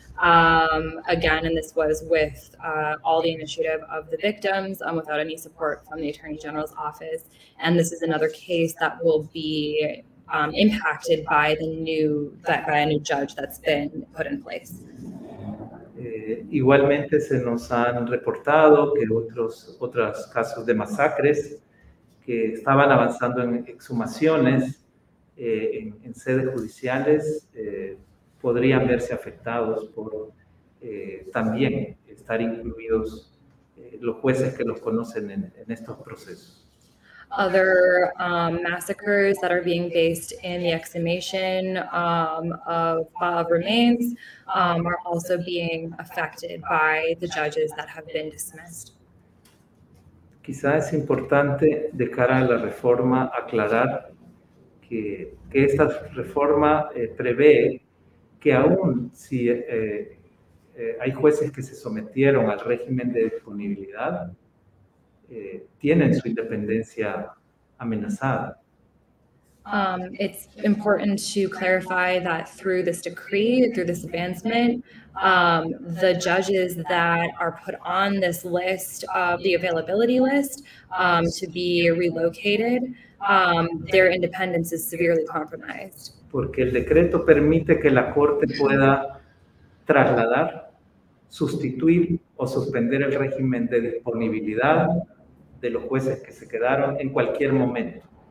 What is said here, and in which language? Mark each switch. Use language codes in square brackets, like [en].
[en] Again, and this was with all the initiative of the victims, without any support from the Attorney General's office. And this is another case that will be impacted by a new judge that's been put in place. [es] Igualmente se nos han reportado que otros casos de masacres que estaban avanzando en exhumaciones en sedes judiciales podrían verse afectados por también estar incluidos los jueces que los conocen en estos procesos. [en] Other massacres that are being based in the exhumation of remains are also being affected by the judges that have been dismissed. [es] Quizá es importante de cara a la reforma aclarar que esta reforma prevé que aún si hay jueces que se sometieron al régimen de disponibilidad, tienen su independencia amenazada. [en] It's important to clarify that through this decree, through this advancement, the judges that are put on this list of the availability list to be relocated, their independence is severely compromised. [es] Porque el decreto permite que la corte pueda trasladar, sustituir o suspender el régimen de disponibilidad de los jueces que se quedaron en cualquier momento.